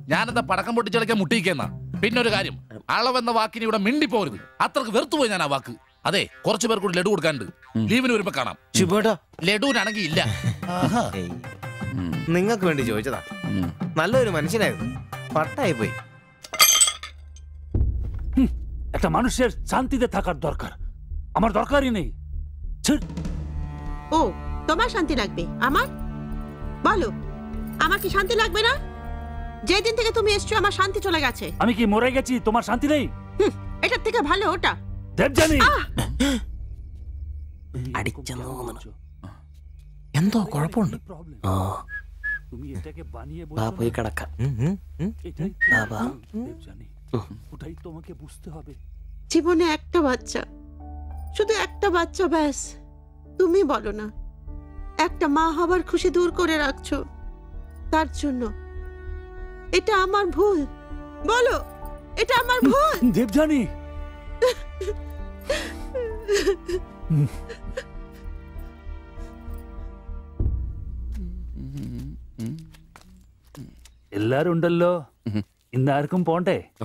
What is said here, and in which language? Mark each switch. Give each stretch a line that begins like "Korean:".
Malayalam: ഞാൻ എന്താ പടക്കം പൊട്ടിച്ചടക്കാൻ മുട്ടിയിക്കുന്നാ? പിന്നെ ഒരു കാര്യം, അളവെന്ന വാക്കിന് ഇവിടെ മിണ്ടിപ്പോരുത്. അത്രക്ക് വെറുത്തുപോയി ഞാൻ ആ വാക്ക്. അതെ, കുറച്ചു പേർ കൂടി ലഡു കൊടുക്കാനുണ്ട്. ലീവിന് വരുമ്പോ കാണാം. ഷിബുട്ടാ, ലഡുവിനാണെങ്കിൽ ഇല്ല. നിങ്ങൾക്ക് വേണ്ടി ചോദിച്ചതാ, നല്ലൊരു മനുഷ്യനായിരുന്നു, പട്ടായി പോയി.
Bangla: একটা মানুষের শান্তিতে থাকার দরকার, আমার দরকারই নেই। ও, তোমার শান্তি লাগবে, আমার বলো, আমার কি শান্তি লাগবে না? যেদিন থেকে তুমি এসেছো আমার শান্তি চলে গেছে। আমি কি মরে গেছি তোমার শান্তি নেই? এটা থেকে ভালো ওটা দেব জানি।
Malayalam: എന്തോ കുഴപ്പമുണ്ട്. പോയി കിടക്കാം.
Bangla: জীবনে একটা বাচ্চা, শুধু একটা বাচ্চা ব্যাস। তুমি বলো না, একটা মা হবার খুশি দূর করে রাখছো তার জন্য। এটা আমার ভুল, বলো, এটা আমার ভুল।
Malayalam: দেবজানি, എല്ലാരും ഉണ്ടല്ലോ, ഇന്ന് ആർക്കും പോണ്ടേ?